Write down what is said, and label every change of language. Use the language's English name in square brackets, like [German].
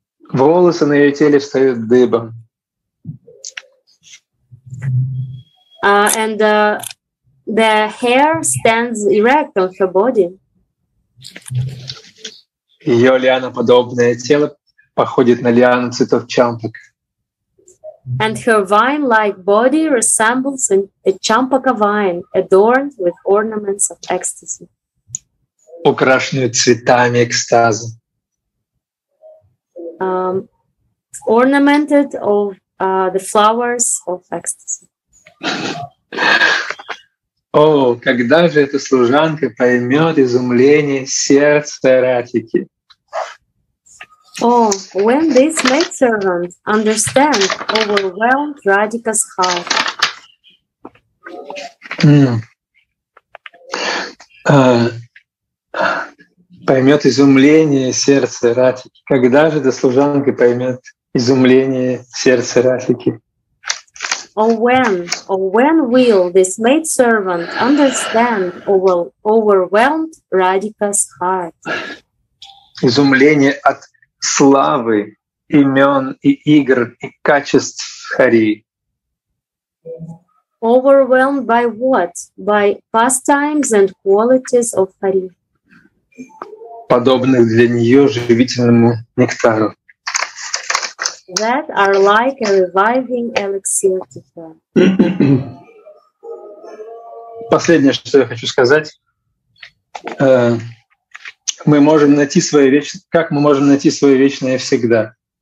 [Russian] Волосы на ее теле встают дыбом. [English] And the hair stands erect on her body. [Russian] Ее лианоподобное тело походит на лиану цветов чампак. [English] And her vine-like body resembles a champaka vine adorned with ornaments of ecstasy. [Russian] Украшенную цветами экстаза. [English] Ornamented of the flowers of ecstasy. [Russian] О, когда же эта служанка поймет изумление сердца Ратики? [English] Oh, when this maidservant understands overwhelmed Radhika's heart. [Russian] Поймет изумление сердца Радхики. Когда же эта служанка поймет изумление сердца Радхики? [English] Oh, when will this maidservant understand overwhelmed Radhika's heart? [Russian] Изумление от славы, имен и игр и качеств Хари. [English] Overwhelmed by what? By pastimes and qualities of Hari. [Russian] Подобных для нее живительному нектару. [English] That are like a reviving elixir to her. [Russian] Последнее, что я хочу сказать. Мы можем найти свое вечное, как мы можем найти свое вечное всегда.